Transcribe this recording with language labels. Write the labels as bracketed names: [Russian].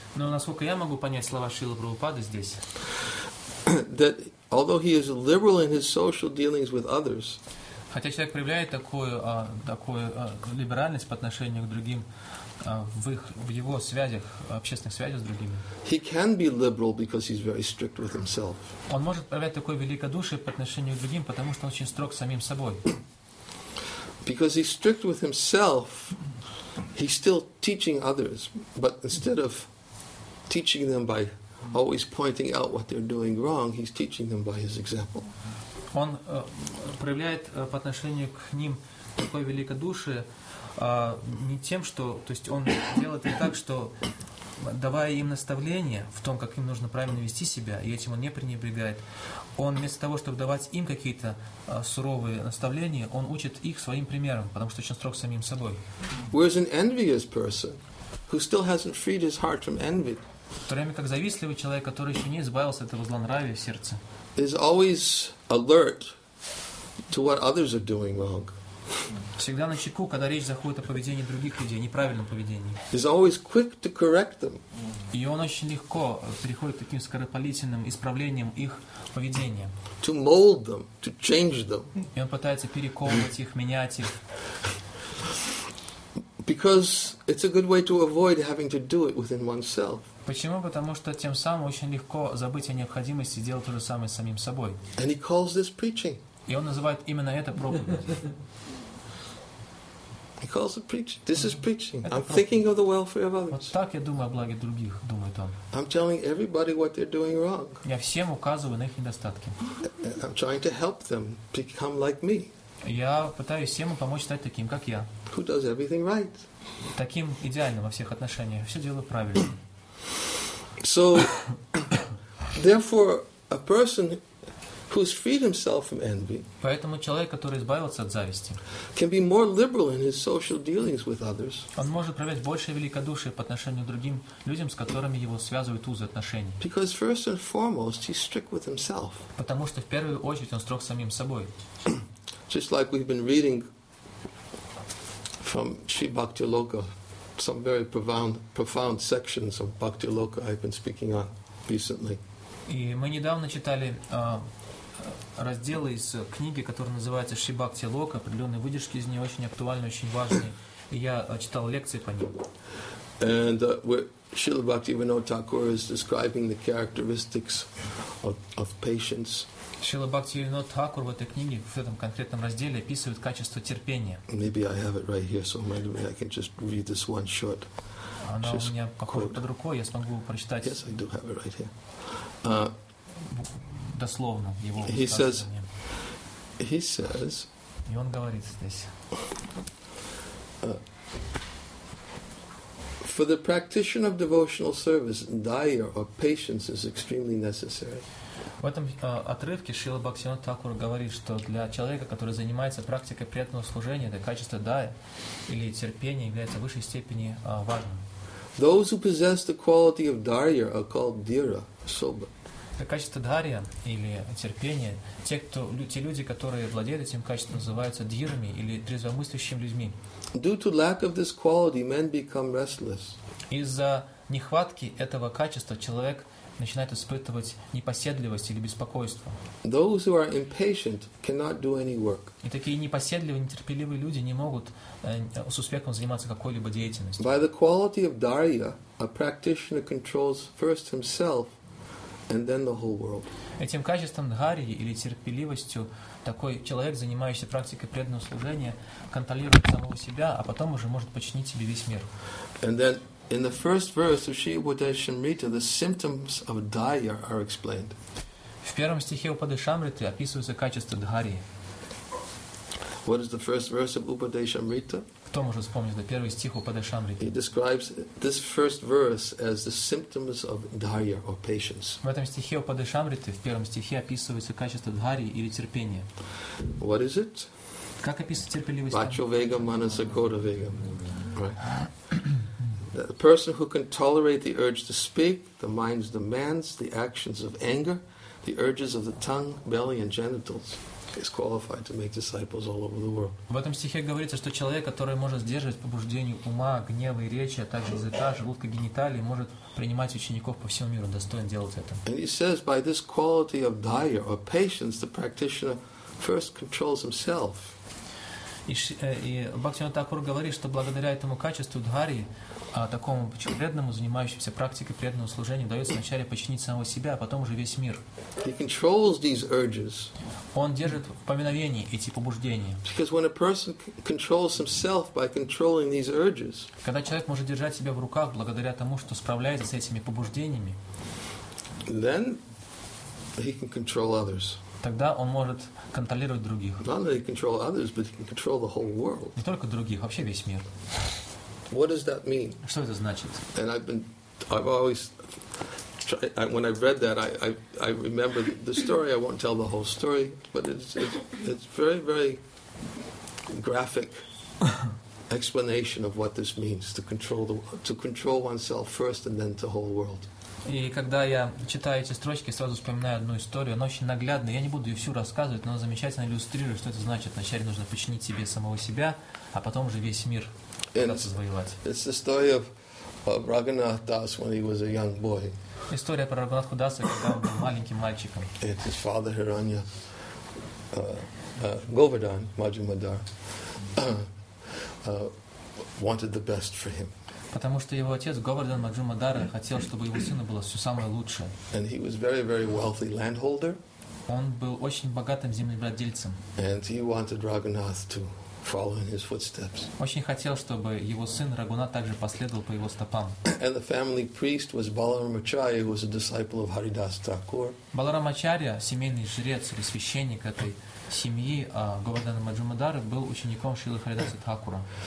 [Russian] но насколько я могу понять слова Шрилы Прабхупады здесь, [English] that although he is liberal in his social dealings with others, [Russian] хотя человек проявляет такую либеральность по отношению к другим в его связях, общественных связях с другими. [English] He can be liberal because he's very strict with himself. [Russian] Он может проявлять такое великодушие по отношению к другим, потому что он очень строг с самим собой. [English] Because he's strict with himself, he's still teaching others, but instead of teaching them by always pointing out what they're doing wrong, he's teaching them by his example. [Russian] Он проявляет по отношению к ним такое великодушие не тем, что... То есть он делает это так, что давая им наставления в том, как им нужно правильно вести себя, и этим он не пренебрегает, он вместо того, чтобы давать им какие-то суровые наставления, он учит их своим примером, потому что очень строг с самим собой. [English] Whereas an envious person, who still hasn't freed his heart from envy, [Russian] в то время как завистливый человек, который еще не избавился от этого злонравия в сердце, [English] is always alert to what others are doing wrong. [Russian] Всегда на чеку, когда речь заходит о поведении других людей, неправильном поведении. [English] Is always quick to correct them. [Russian] И он очень легко переходит к таким скоропалительным исправлениям их поведения. [English] To mold them, to change them. [Russian] И он пытается перековывать их, менять их. [English] Because it's a good way to avoid having to do it within oneself. [Russian] Почему? Потому что тем самым очень легко забыть о необходимости делать то же самое с самим собой. [English] And he calls this preaching. [Russian] И он называет именно это проповедью. [English] He calls it preaching. This is preaching. I'm thinking of the welfare of others. [Russian] Вот так я думаю о благе других, думает он. [English] I'm telling everybody what they're doing wrong. [Russian] Я всем указываю на их недостатки. [English] I'm trying to help them become like me. [Russian] Я пытаюсь всем помочь стать таким, как я. [English] Who does everything right? [Russian] Таким идеальным во всех отношениях. Все делаю правильно. [English] So, therefore, a person who's freed himself from envy, [Russian] поэтому человек, который избавился от зависти, [English] can be more liberal in his social dealings with others. [Russian] Он может проявлять больше великодушия по отношению к другим людям, с которыми его связывают узы отношений. [English] Because first and foremost, he's strict with himself. [Russian] Потому что в первую очередь он строг с самим собой. [English] Just like we've been reading from Sri Bhakti Loka. Some very profound sections of Bhakti Loka I've been speaking on recently. [Russian] И мы недавно читали разделы из книги, которая называется Шри Бхакти Лока. Определенные выдержки из нее очень актуальны, очень важны. И я читал лекции по ним. [English] And Srila Bhakti Vinod Thakur is describing the characteristics of patience. [Russian] Шрила Бхактивинода Тхакур в этой книге в этом конкретном разделе описывает качество терпения. [English] Maybe I have it right here, so maybe I can just read this one short. [Russian] Она у меня похоже под рукой, я смогу прочитать. [English] Yes, I do have it right here. [Russian] Дословно его высказывание. [English] He says. [Russian] И он говорит здесь. [English] For the practitioner of devotional service, dhaira or patience is extremely necessary. [Russian] В этом отрывке Шрила Бхактивинода Тхакура говорит, что для человека, который занимается практикой преданного служения, это качество дая или терпения является высшей степени важным. [English] Those who possess the quality of dhaira are called dhira, sober. [Russian] Это качество дхария или терпения. Те люди, которые владеют этим качеством, называются дхирами или трезвомыслящими людьми. [English] Due to lack of this quality, men become restless. [Russian] Из-за нехватки этого качества человек начинает испытывать непоседливость или беспокойство. [English] Those who are impatient cannot do any work. [Russian] И такие непоседливые, нетерпеливые люди не могут с успехом заниматься какой-либо деятельностью. [English] By the quality of dhaira, a practitioner controls first himself and then the whole world. [Russian] Этим качеством дхарьи или терпеливостью такой человек, занимающийся практикой преданного служения, контролирует самого себя, а потом уже может подчинить себе весь мир. [English] And then in the first verse of Shri Upadeshamrita, the symptoms of dhaira are explained. [Russian] В первом стихе Упадешамриты описывается качество дхарьи. [English] What is the first verse of Upadeshamrita? [Russian] Кто может вспомнить первый стих Упадешамриты? [English] He describes this first verse as the symptoms of dhaira or patience. [Russian] В этом стихе Упадешамриты в первом стихе описывается качество дхарьи или терпения. [English] What is it? [Russian] Как описывается терпеливость? [Sanskrit] Vacho vega manasa koda vega. [English] The person who can tolerate the urge to speak, the mind's demands, the actions of anger, the urges of the tongue, belly, and genitals is qualified to make disciples all over the world. [Russian] В этом стихе говорится, что человек, который может сдерживать побуждение ума, гнева и речи, а также языка, желудка, гениталии, может принимать учеников по всему миру, достоин делать это. [English] And he says, by this quality of dhaira or patience, the practitioner first controls himself. [Russian] И Бхактивинода Тхакура говорит, что благодаря этому качеству дхари, такому преданному, занимающемуся практикой преданного служения, дается вначале подчинить самого себя, а потом уже весь мир. [English] He controls these urges. [Russian] Он держит в повиновении эти побуждения. [English] Because when a person controls himself by controlling these urges, [Russian] когда человек может держать себя в руках благодаря тому, что справляется с этими побуждениями, [English] then he can control others. [Russian] Тогда он может контролировать других. [English] Not only control others, but he can control the whole world. [Russian] Не только других, вообще весь мир. [English] What does that mean? [Russian] Что это значит? [English] And I've always tried, when I read that, I remember the story. I won't tell the whole story, but it's very, very graphic explanation of what this means to control oneself first and then the whole world. [Russian] И когда я читаю эти строчки, сразу вспоминаю одну историю. Она очень наглядная. Я не буду ее всю рассказывать, но она замечательно иллюстрирует, что это значит. Вначале нужно подчинить себе самого себя, а потом уже весь мир пытаться завоевать. [English] It's the story of Raghunath Das when he was a young boy. [Russian] История про Рагунатху Даса, когда он был маленьким мальчиком. [English] It's his father Hiranya Govardhan Majumdar wanted the best for him. [Russian] Потому что его отец Говардан Маджумадара хотел, чтобы его сыну было все самое лучшее. [English] And he was very, very wealthy landholder. [Russian] Он был очень богатым землевладельцем. [English] And he wanted Raghunath to follow in his footsteps. [Russian] Очень хотел, чтобы его сын Рагунат также последовал по его стопам. [English] And the family priest was Balaram Acharya, who was a disciple of Haridas Thakur. [Russian] Баларам Ачарья, семейный жрец или священник этой семьи Говардана Маджумадара, был учеником Шрилы Харидаса Тхакура.